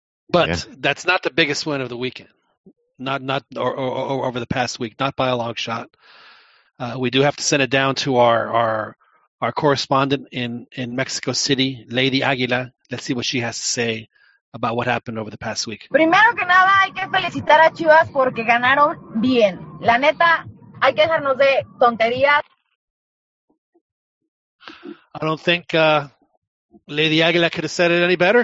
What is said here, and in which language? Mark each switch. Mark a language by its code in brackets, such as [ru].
[en] But that's not the biggest win of the weekend. Not over the past week, not by a long shot. We do have to send it down to our correspondent in Mexico City, Lady Aguila. Let's see what she has to say about what happened over the past week. [es] Primero que nada, hay que felicitar a Chivas porque ganaron bien. La neta, hay que dejarnos de tonterías. [en] I don't think Lady Aguila could have said it any better.